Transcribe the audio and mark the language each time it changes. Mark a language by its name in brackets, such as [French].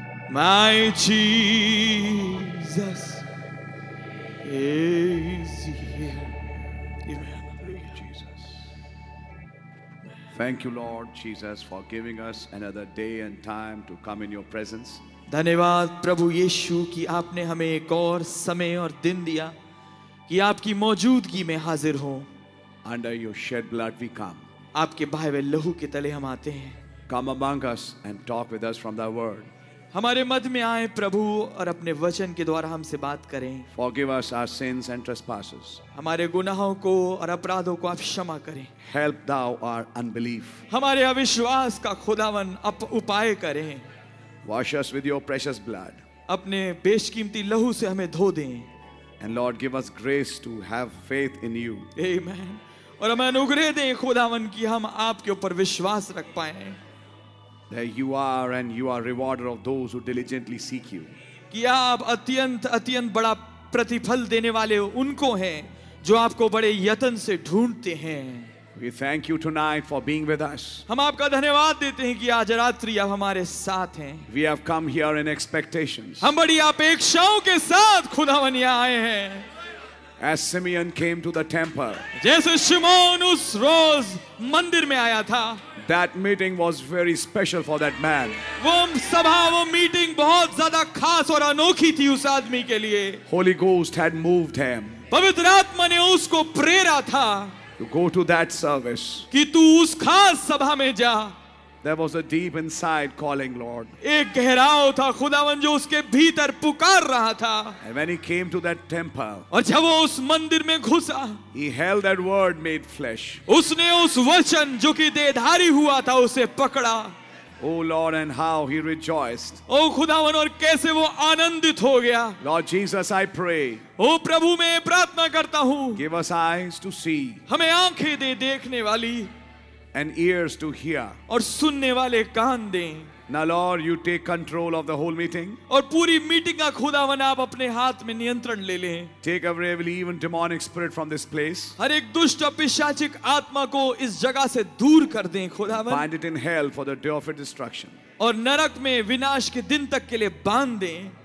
[English] My Jesus is here. Amen. Thank you, Jesus. Thank you, Lord Jesus, for giving us another day and time to come in your presence. [Hindi] धन्यवाद प्रभु यीशु कि आपने हमें एक और समय और दिन दिया कि आपकी मौजूदगी में हाजिर हो. [English] Under your shed blood we come. [Hindi] आपके बहे हुए लहू के तले हम आते हैं. [English] Come among us and talk with us from thy word. [Hindi] हमारे मध्य में आए प्रभु और अपने वचन के द्वारा हमसे बात करें. [English] Forgive us our sins and trespasses. [Hindi] हमारे गुनाहों को और अपराधों को आप क्षमा करें. [English] Help thou our unbelief. [Hindi] हमारे अविश्वास का खुदावन आप उपाय करें. [English] Wash us with your precious blood. [Hindi] अपने बेशकीमती लहू से हमें धो दें. [English] And Lord, give us grace to have faith in you. Amen. [Hindi] और हमें अनुग्रह दें खुदावन कि हम आपके ऊपर विश्वास रख पाए. [English] That you are and you are rewarder of those who diligently seek you. [Hindi] कि आप अत्यंत अत्यंत बड़ा प्रतिफल देने वाले उनको हैं जो आपको बड़े यतन से ढूंढते हैं. [English] We thank you tonight for being with us. [Hindi] हम आपका धन्यवाद देते हैं कि आज रात्रि आप हमारे साथ हैं. [English] We have come here in expectations. [Hindi] हम बड़ी अपेक्षाओं के साथ खुदावन यहाँ आए हैं. [English] As Simeon came to the temple. [Hindi] जैसे शिमोन उस रोज मंदिर में आया था. [English] That meeting was very special for that man. [Hindi] वो सभा, वो meeting बहुत ज़्यादा खास और अनोखी थी उस आदमी के लिए. [English] Holy Ghost had moved him. [Hindi] पवित्र आत्मा ने उसको प्रेरा था. [English] To go to that service. [Hindi] कि तू उस खास सभा में जा. [English] There was a deep inside calling, Lord. [Hindi] एक गहराव था खुदावन जो उसके भीतर पुकार रहा था. [English] And when he came to that temple, [Hindi] और जब वो उस मंदिर में घुसा, [English] he held that word made flesh. [Hindi] उसने उस वचन जो कि देहधारी हुआ था उसे पकड़ा. [English] Oh Lord, and how he rejoiced. [Hindi] Oh खुदावन, और कैसे वो आनंदित हो गया. [English] Lord Jesus, I pray. [Hindi] Oh प्रभु, मैं प्रार्थना करता हूँ. [English] Give us eyes to see. [Hindi] हमें आँखें दे देखने वाली. [English] And ears to hear. [Hindi] और सुनने वाले कान दें. [English] Now Lord, you take control of the whole meeting. [Hindi] और पूरी मीटिंग का खुदावन आप अपने हाथ में नियंत्रण ले लें. [English] Take every evil, even demonic spirit from this place. [Hindi] हर एक दुष्ट पिशाचिक आत्मा को इस जगह से दूर कर दें खुदावन. [English] Bind it in hell for the day of its destruction. [Hindi] और नरक में विनाश के दिन तक के लिए बांध दें.